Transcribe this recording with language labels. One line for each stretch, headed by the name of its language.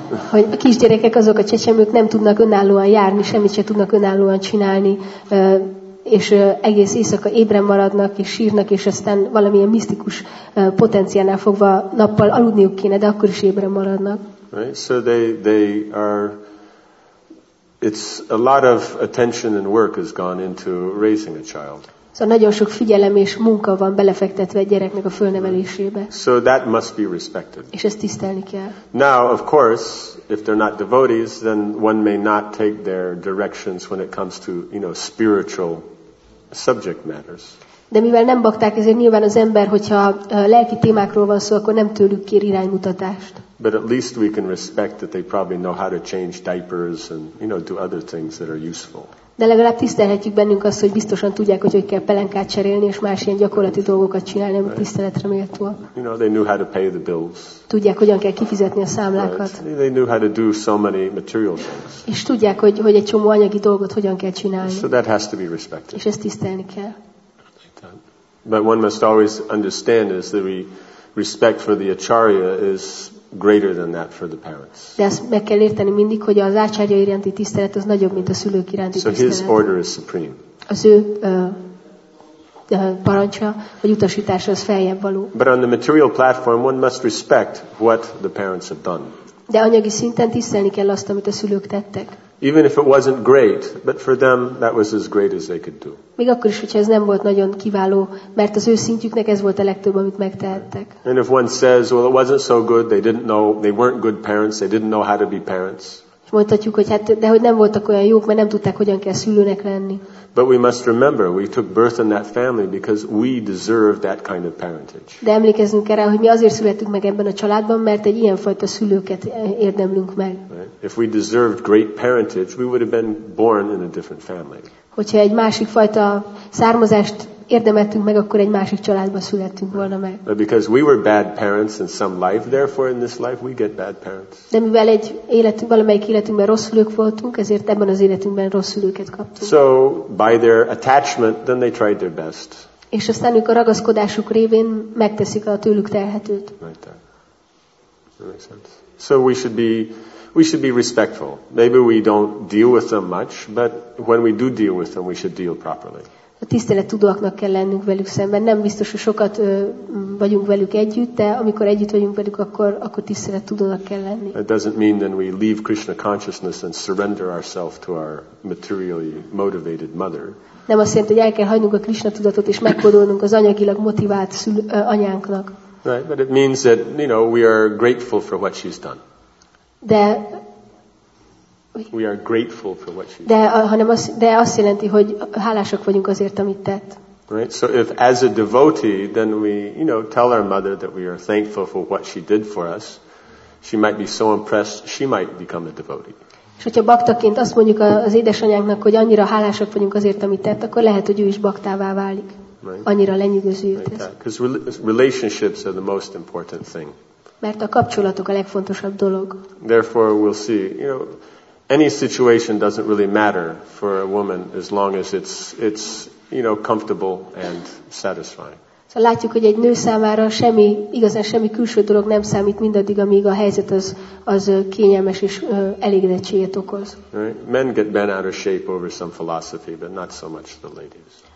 Hungarian: Hogy a kisgyerekek, azok a csecsemők nem tudnak önállóan járni, semmit sem tudnak önállóan csinálni, és egész éjszaka ébren maradnak és sírnak, és aztán valamilyen misztikus potenciánál fogva nappal aludniuk kéne, de akkor is ébren maradnak.
English: Right, so they are It's a lot of attention and work has gone into raising a child.
Hungarian: Szóval nagyon sok figyelem és munka van belefektetve egy gyereknek a fölnevelésébe.
English: So that must be respected.
Hungarian: És ezt tisztelni kell.
English: Now, of course, if they're not devotees, then one may not take their directions when it comes to, you know, spiritual subject matters.
Hungarian: De mivel nem bakták, ezért nyilván az ember, hogyha lelki témákról van szó, akkor nem tőlük kér iránymutatást.
English: But at least we can respect that they probably know how to change diapers and, you know, do other things that are useful.
Hungarian: De legalább tisztelhetjük bennünk azt, hogy biztosan tudják, hogy kell pelenkát cserélni és más ilyen gyakorlati dolgokat csinálni, ami tiszteletre méltóak.
English: You know, they knew how to pay the bills.
Hungarian: Tudják, hogyan kell kifizetni a számlákat.
English: Right. They knew how to do so many material things.
Hungarian: És tudják, hogy egy csomó anyagi dolgot hogyan kell csinálni.
English: So that has to be respected.
Hungarian: És ezt tisztelni kell.
English: But one must always understand is that we respect for the acharya is greater than that for the parents.
Hungarian: De ezt meg kell érteni mindig, hogy az ácsárja iránti tisztelet az nagyobb, mint a szülők iránti tisztelet.
English: So his order is supreme.
Hungarian: Az ő parancsa, vagy utasítása az feljebb való.
English: But on the material platform, one must respect what the parents have done.
Hungarian: De anyagi szinten tisztelni kell azt, amit a szülők tettek.
English: Even if it wasn't great, but for them that was as great as they could do.
Hungarian: Még akkor is, hogyha ez nem volt nagyon kiváló, mert az ő szintjüknek ez volt a legtöbb, amit megtehettek.
English: And if one says, well, it wasn't so good, they didn't know, they weren't good parents, they didn't know how to be parents.
Hungarian: Mondhatjuk, hogy hát, de hogy nem voltak olyan jók, mert nem tudták, hogyan kell szülőnek lenni.
English: But we must remember, we took birth in that family because we deserve that kind of parentage.
Hungarian: De emlékezzünk erre, hogy mi azért születtünk meg ebben a családban, mert egy ilyen fajta szülőket érdemlünk meg.
English: Right? If we deserved great parentage, we would have been born in a different family.
Hungarian: Hogyha egy másik fajta származást érdemeltünk meg, akkor egy másik családba születtünk volna meg.
English: But because we were bad parents in some life, therefore in this life we get bad parents.
Hungarian: De mivel egy életünk, valamelyik életünkben rossz szülők voltunk, ezért ebben az életünkben rossz szülőket kaptunk.
English: So by their attachment, then they tried their best.
Hungarian: És aztán ők a ragaszkodásuk révén megteszik a tőlük telhetőt.
English: Right there. That makes sense. So we should be respectful. Maybe we don't deal with them much, but when we do deal with them, we should deal properly.
Hungarian: A tisztelettudóaknak kell lennünk velük szemben. Nem biztos, hogy sokat vagyunk velük együtt, de amikor együtt vagyunk velük, akkor tisztelettudónak kell lenni.
English: It doesn't mean then we leave Krishna consciousness and surrender ourselves to our materially motivated mother.
Hungarian: Nem azt jelenti, hogy el kell hagynunk a Krishna tudatot és megfordulnunk az anyagilag motivált anyánknak.
English: Right, but it means that, you know, we are grateful for what she's done.
Hungarian: De
English: we are grateful for what she did.
Hungarian: De azt jelenti, hogy hálásak vagyunk azért, amit tett.
English: Right. So if as a devotee, then we, you know, tell our mother that we are thankful for what she did for us, she might be so impressed, she might become a devotee.
Hungarian: És hogyha baktaként azt mondjuk az édesanyánknak, hogy annyira hálásak vagyunk azért, amit tett, akkor lehet, hogy ő is baktává válik.
English: Right.
Hungarian: Annyira lenyűgöző őt ez.
English: Because relationships are the most important thing.
Hungarian: Mert a kapcsolatok a legfontosabb dolog.
English: Therefore, we'll see, you know, any situation doesn't really matter for a woman as long as it's you know, comfortable and satisfying.
Hungarian: So látjuk, hogy egy nő számára semmi, igazán semmi külső dolog nem számít mindaddig, amíg a helyzet az kényelmes és elégedettséget okoz.
English: Men get bent out of shape over some philosophy, but not so much the ladies.